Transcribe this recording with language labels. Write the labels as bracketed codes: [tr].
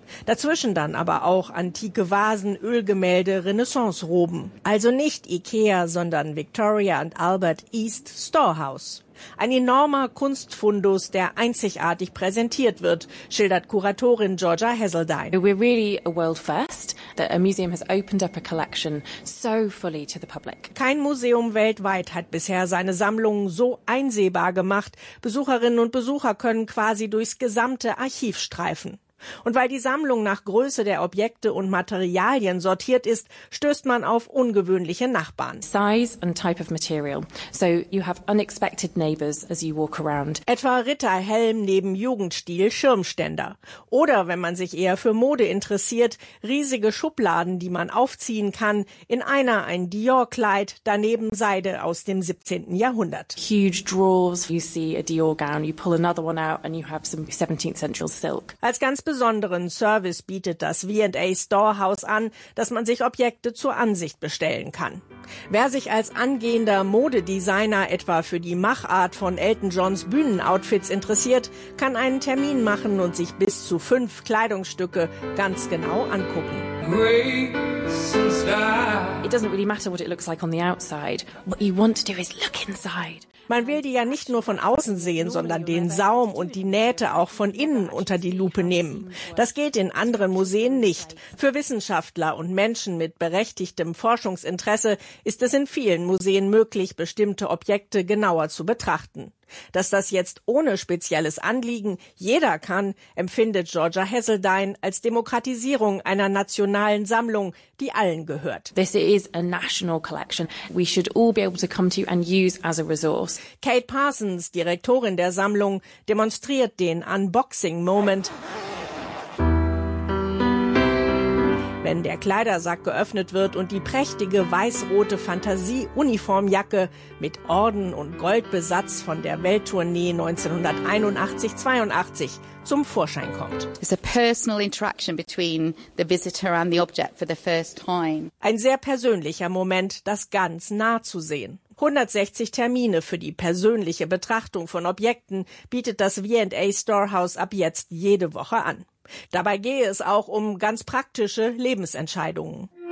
[de] Dazwischen dann aber auch antike Vasen, Ölgemälde, Renaissance-Roben. Also nicht IKEA, sondern Victoria and Albert East Storehouse. Ein enormer Kunstfundus, der einzigartig präsentiert wird, schildert Kuratorin Georgia Heseldine. [en] We're really a world first, that a museum has opened up a collection so fully to the public. [de] Kein Museum weltweit hat bisher seine Sammlungen so einsehbar gemacht. Besucherinnen und Besucher können quasi durchs gesamte Archiv streifen. Und weil die Sammlung nach Größe der Objekte und Materialien sortiert ist, stößt man auf ungewöhnliche Nachbarn. [en] Size and type of material. So you have unexpected neighbors as you walk around. [de] Etwa Ritterhelm neben Jugendstil Schirmständer. Oder wenn man sich eher für Mode interessiert, riesige Schubladen, die man aufziehen kann. In einer ein Dior-Kleid, daneben Seide aus dem 17. Jahrhundert. [en] Huge drawers. You see a Dior-Gown, you pull another one out and you have some 17th century silk. [de] Als ganz besonderen Service bietet das V&A Storehouse an, dass man sich Objekte zur Ansicht bestellen kann. Wer sich als angehender Modedesigner etwa für die Machart von Elton Johns Bühnenoutfits interessiert, kann einen Termin machen und sich bis zu 5 Kleidungsstücke ganz genau angucken. [en] It doesn't really matter what it looks like on the outside. What you want to do is look inside. [de] Man will die ja nicht nur von außen sehen, sondern den Saum und die Nähte auch von innen unter die Lupe nehmen. Das geht in anderen Museen nicht. Für Wissenschaftler und Menschen mit berechtigtem Forschungsinteresse ist es in vielen Museen möglich, bestimmte Objekte genauer zu betrachten. Dass das jetzt ohne spezielles Anliegen jeder kann, empfindet Georgia Heseldine als Demokratisierung einer nationalen Sammlung, die allen gehört. [en] This is a national collection. We should all be able to come to and use as a resource. [de] Kate Parsons, Direktorin der Sammlung, demonstriert den Unboxing-Moment. Wenn der Kleidersack geöffnet wird und die prächtige weiß-rote Fantasie-Uniformjacke mit Orden und Goldbesatz von der Welttournee 1981-82 zum Vorschein kommt. [en] It's a personal interaction between the visitor and the object for the first time. [de] Ein sehr persönlicher Moment, das ganz nah zu sehen. 160 Termine für die persönliche Betrachtung von Objekten bietet das V&A Storehouse ab jetzt jede Woche an. Dabei gehe es auch um ganz praktische Lebensentscheidungen.